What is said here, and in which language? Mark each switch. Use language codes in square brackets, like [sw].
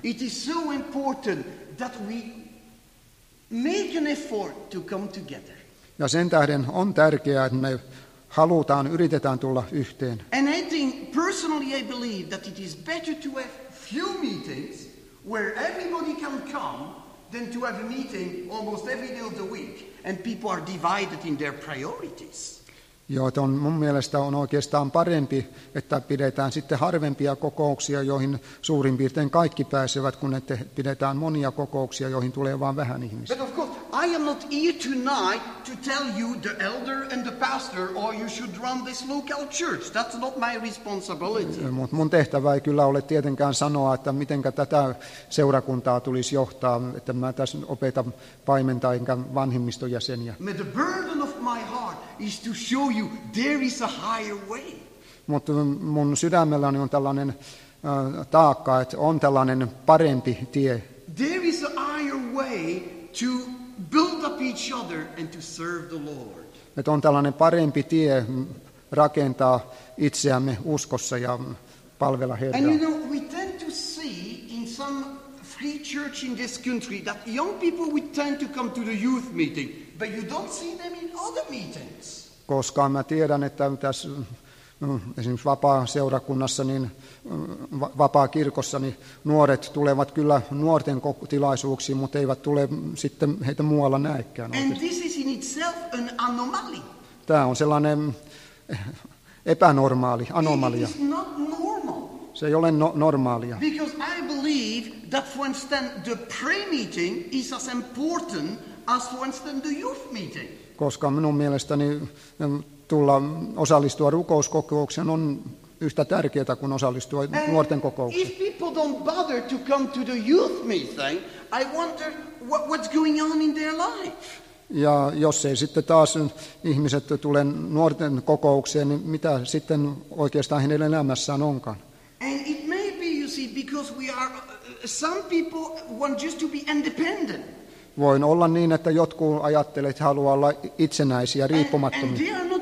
[en] It is so important that we make an effort to come together. [fi] Ja sen tähden on tärkeää, että me halutaan, yritetään tulla yhteen. [en] And I think, personally I believe that it is better to have few meetings where everybody can come than to have a meeting almost every day of the week and people are divided in their priorities. [fi] Joo, on mun mielestä on oikeastaan parempi, että pidetään sitten harvempia kokouksia, joihin suurin piirtein kaikki pääsevät, kun että pidetään monia kokouksia, joihin tulee vain vähän ihmisiä. [en] But of course, I am not here tonight to tell you the elder and the pastor, or you should run this local church. That's not my responsibility. [fi] Mutta mun tehtävä ei kyllä ole tietenkään sanoa, että mitenkä tätä seurakuntaa tulisi johtaa, että mä tässä opetan paimentaa enkä vanhimmistojäseniä. [en] My heart is to show you there is a higher way. [fi] mutta mun sydämelläni on tällainen taakka, että on tällainen parempi tie. [en] There is a higher way to build up each other and to serve the Lord. [fi] Et on tällainen parempi tie rakentaa itseämme uskossa ja palvella Herraa. [en] And you know, we tend to see in some free church in this country that young people would tend to come to the youth meeting, but you don't see them in other meetings. [fi] Koska mä tiedän, että tässä esimerkiksi vapaa seurakunnassa, niin vapaa kirkossa, niin nuoret tulevat kyllä nuorten tilaisuuksiin, mutta eivät tule sitten heitä muualla näekään. [en] And this is in itself an anomaly. [fi] Tämä on sellainen epänormaali, anomalia. [en] It is not normal. [fi] Se ei ole normaalia. [en] Because I believe that for instance the prayer meeting is as important as for instance the youth meeting. [fi] Koska minun mielestäni tulla osallistua rukouskokoukseen on yhtä tärkeää kuin osallistua [en] and [fi] nuorten kokoukseen. [en] If people don't bother to come to the youth meeting, I wonder what's going on in their life. [fi] Ja jos ei sitten taas ihmiset tule nuorten kokoukseen, niin mitä sitten oikeastaan heidän elämässään onkaan? [en] And it may be, you see, because we are some people want just to be independent. [fi] Voin olla niin, että jotkut ajattelevat, että haluaa olla itsenäisiä, riippumattomia.